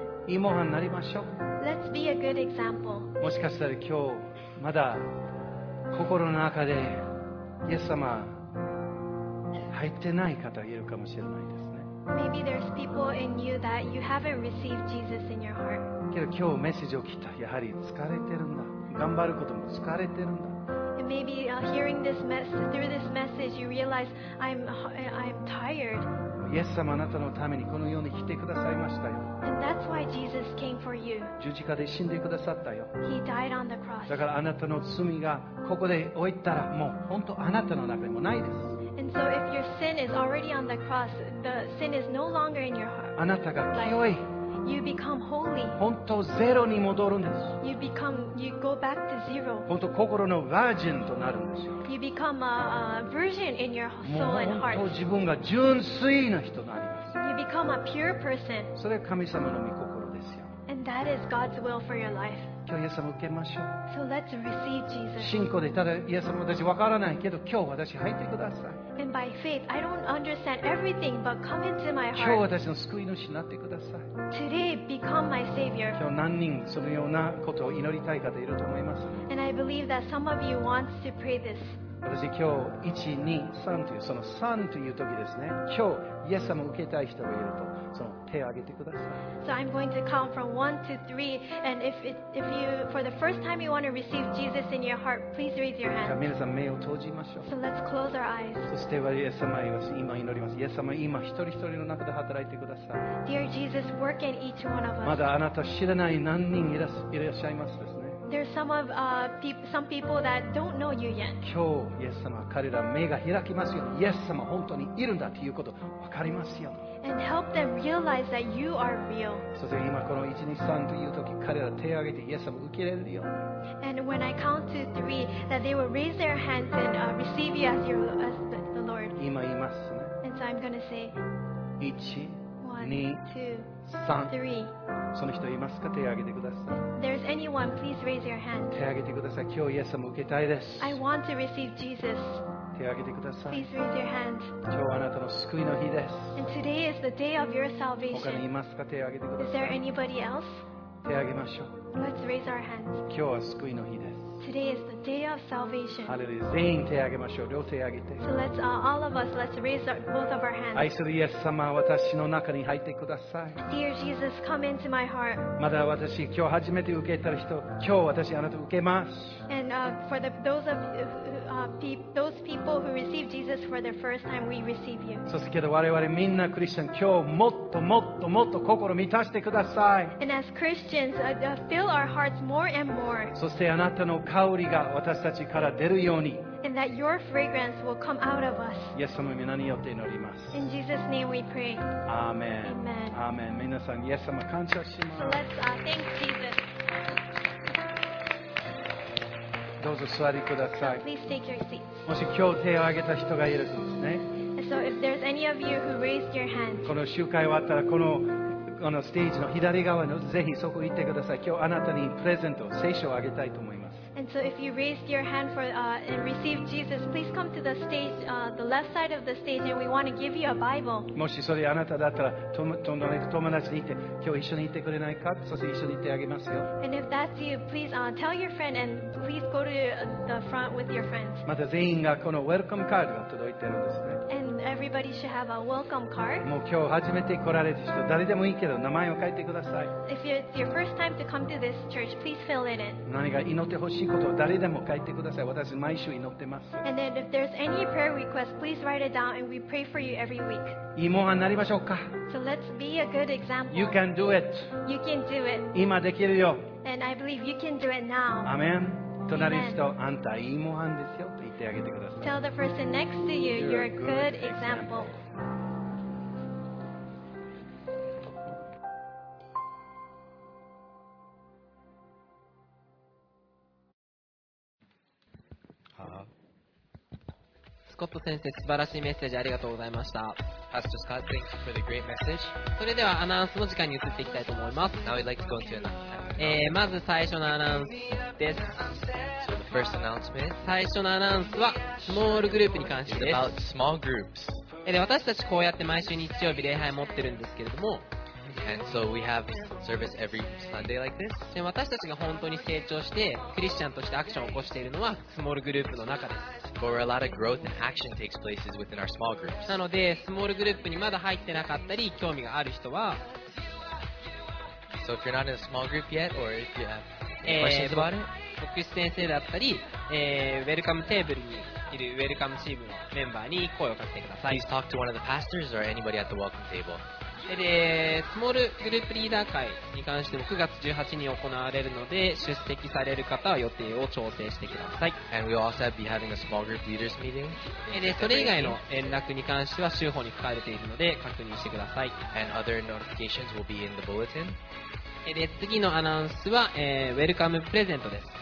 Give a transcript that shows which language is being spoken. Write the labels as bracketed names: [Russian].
[Japanese] いい模範になりましょう。 [English] Let's be a good example. [Japanese] もしかしたら今日まだ心の中でイエス様入ってない方がいるかもしれないですね。 [English] Maybe there's people in you that you haven't received Jesus in your heart. [Japanese] けど今日メッセージを聞いた。やはり疲れてるんだ。頑張ることも疲れてるんだ。 [English] And maybe hearing this message, through this message, you realize I'm tired. [Japanese] イエス様あなたのためにこの世に来てくださいましたよ。 [English] And that's why Jesus came for you. [Japanese] 十字架で死んでくださったよ。 [English] He died on the cross. [Japanese] だからあなたの罪がここで置いたらもう本当あなたの中にもないです。 [English] And so if your sin is already on the cross, the sin is no longer in your heart. [Japanese] あなたが清い。 [English] You become holy. [Japanese] 本当ゼロに戻るんです。 [English] You go back to zero. [Japanese] 本当心のバージンとなるんですよ。 [English] You become a virgin in your soul and heart. [Japanese] 本当自分が純粋な人になります。 [English] You become a pure person. [Japanese] それが神様の御心ですよ。 [English] And that is God's will for your life. [Japanese] 今日イエス様受けましょう。 [English] So let's receive Jesus. [Japanese] 信仰でただイエス様私わからないけど今日私入ってください。 [English] And by faith, I don't understand everything, but come into my heart. [Japanese] 今日私の救い主になってください。 [English] Today, become my savior. [Japanese] 今日何人そのようなことを祈りたい方いると思います。 [English] And I believe that some of you want to pray this. [Japanese] 私今日1、2、3というその3という時ですね。今日イエス様を受けたい人がいると。その手を挙げてください。 [English] So I'm going to count from 1 to 3 and if you for the first time you want to receive Jesus in your heart, please raise your hand. [Japanese] 皆さん目を閉じましょう。 [English] So let's close our eyes. [Japanese] そしてイエス様は今祈ります。イエス様今一人一人の中で働いてください。 [English] Dear Jesus, work in each one of us. [Japanese] まだあなた知らない何人いらっしゃいますですね。 [English] There's some people that don't know you yet. [Japanese] 今日イエス様彼ら目が開きますよ。イエス様本当にいるんだということ分かりますよ。 [English] And help them realize that you are real. [Japanese] そして今この1、2、3という時彼ら手を挙げてイエス様を受け入れるよ。 [English] And when I count to 3, that they will raise their hands and receive you as, your, as the Lord. [Japanese] 今言いますね。 [English] And so I'm going to say [Japanese] 1、 [English] 1, 2, 3. 3. [Japanese] その人いますか手を挙げてください。 [English] There's anyone, please raise your hand. [Japanese] 手を挙げてください。今日イエス様を受けたいです。 [English] I want to receive Jesus. [Japanese] 手を挙げてください。 [English] Please raise your hand. [Japanese] 今日はあなたの救いの日です。 [English] And today is the day of your salvation. [Japanese] 他にいますか手を挙げてください。 [English] Is there anybody else? [Japanese] 手を挙げましょう。 [English] Let's raise our hands. [Japanese] 今日は救いの日です。 [English] Today is the day of salvation. [Japanese] ハレルヤ。全員手を挙げましょう。両手を挙げて。 [English] So let's all of us, let's raise both of our hands. [Japanese] 愛するイエス様、私の中に入ってください。 [English] Dear Jesus, come into my heart. [Japanese] まだ私、今日初めて受けた人、今日私あなたを受けます。 [English] And for those of you,those people who receive Jesus for the first time, we receive you. [Japanese] そしてけど我々みんなクリスチャン、今日もっともっともっと心を満たしてください。 [English] And as Christians, fill our hearts more and more. [Japanese] そしてあなたの香りが私たちから出るように。 [English] And that your fragrance will come out of us. [Japanese] イエス様の名によって祈ります。 [English] In Jesus' name we pray. Amen. Amen. Amen. [Japanese] 皆さんイエス様感謝します。 [English] So let's thank Jesus. [Japanese] どうぞ座りください。 [English] So、please take your seats. [Japanese] もし今日手を挙げた人がいるんですね。 [English] So if there's any of you who raised your hands, [Japanese] この集会終わったらこのステージの左側のぜひそこ行ってください。今日あなたにプレゼント、聖書をあげたいと思います。 [English] And so if you raised your hand for, and received Jesus, please come to the stage, the left side of the stage, and we want to give you a Bible. [Japanese] もしそれあなただったら、友達にいて、今日一緒に行ってくれないか？そして一緒に行ってあげますよ。 [English] And if that's you, please, tell your friend and please go to the front with your friends. [Japanese] また全員がこのウェルカムカードが届いてるんですね。 [English] And everybody should have a welcome card. [Japanese] もう今日初めて来られる人、誰でもいいけど名前を書いてください。 [English] If it's your first time to come to this church, please fill it in. [Japanese] 何か祈ってほしい。いいことは誰でも書いてください。私毎週祈ってます。 [English] And then if there's any prayer request, please write it down and we pray for you every week. [Japanese] いい模範になりましょうか。 [English] So let's be a good example. You can do it. You can do it. [Japanese] 今できるよ。 [English] And I believe you can do it now. Amen. [Japanese] 隣の人、あんたいい模範ですよと言ってあげてください。 [English] Tell the person next to you, you're a good example. [Japanese] スコット先生、素晴らしいメッセージありがとうございました。 [English] Pastor Scott, thank you for the great message. [Japanese] それではアナウンスの時間に移っていきたいと思います。 [English] Now we'd like to go into announcement. [Japanese] まず最初のアナウンスです。 [English] So the first announcement. [Japanese] 最初のアナウンスはスモールグループに関してです。 [English] It's about small groups. [Japanese] で、私たちこうやって毎週日曜日礼拝持ってるんですけれども、 [English] And so we have service every Sunday like this. [Japanese] で、私たちが本当に成長してクリスチャンとしてアクションを起こしているのはスモールグループの中です。 [English] For a lot of growth and action takes places within our small groups. [Japanese] なので、スモールグループにまだ入ってなかったり興味がある人は、 [English] So if you're not in a small group yet or if you have questions about it, [Japanese] 牧師先生だったり、ウェルカムテーブルにいるウェルカムチームのメンバーに声をかけてください。 [English] Please talk to one of the pastors or anybody at the welcome table. [Japanese] でスモールグループリーダー会に関しても9月18日に行われるので出席される方は予定を調整してください。 [English] And we'll also be having a small group leaders meeting. [Japanese] でそれ以外の連絡に関しては週報に書かれているので確認してください。 [English] And other notifications will be in the bulletin. [Japanese] で次のアナウンスは、ウェルカムプレゼントです。